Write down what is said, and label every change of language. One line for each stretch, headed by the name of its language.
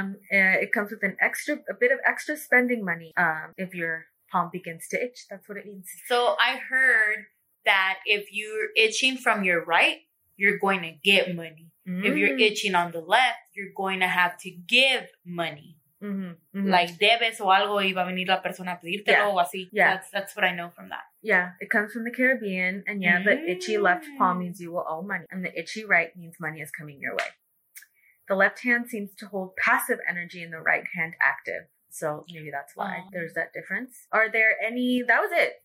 English: It comes with a bit of extra spending money if your palm begins to itch. That's what it means. So I heard that if you're itching from your right, you're going to get money. Mm. If you're itching on the left, you're going to have to give money. Mm-hmm, mm-hmm.
Spanish: Like debes o algo y va a venir la persona a pedírtelo o así.
English: Yeah. That's what I know from that. Yeah, it comes from the Caribbean. And the itchy left palm means you will owe money. And the itchy right means money is coming your way. The left hand seems to hold passive energy and the right hand active. So maybe that's why there's that difference. Are there any... That was it.